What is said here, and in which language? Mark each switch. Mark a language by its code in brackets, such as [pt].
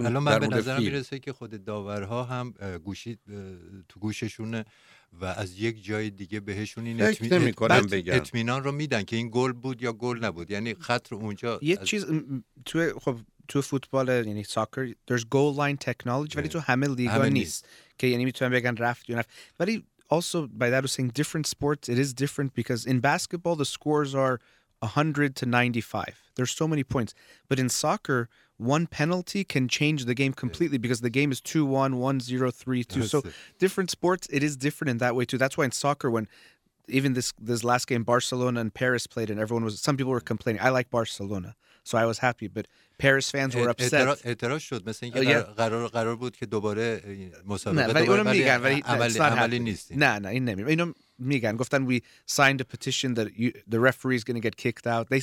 [fa] الان من به نظرم میرسه که خود داورها هم گوشی تو گوششونه و از یک جای دیگه بهشون این اطمینان رو میدن که این گل بود یا گل نبود، یعنی خط رو اونجا یه چیز توی خب تو فوتبال، یعنی ساکر، [en] there's goal line technology [fa] ولی تو همه لیگا نیست که یعنی میتونن بگن رفت یا نرفت. ولی [en] also by that I was saying different sports it is different because in basketball the scores are 100 to 95. There's so many points. But in soccer, one penalty can change the game completely because the game is 2-1, 1-0, 3-2. So different sports, it is different in that way too. That's why in soccer, when even this last game, Barcelona and Paris played and everyone was, some people were complaining. I like Barcelona, so I was happy. But Paris fans were upset. [fa] اعتراض شد. مثل اینکه قرار بود که دوباره مسابقه دوباره. نه، میگن ولی عملی نیست. نه، این نمیگن. اینو میگن. گفتن [en] we signed a petition that the referee is going to get kicked out.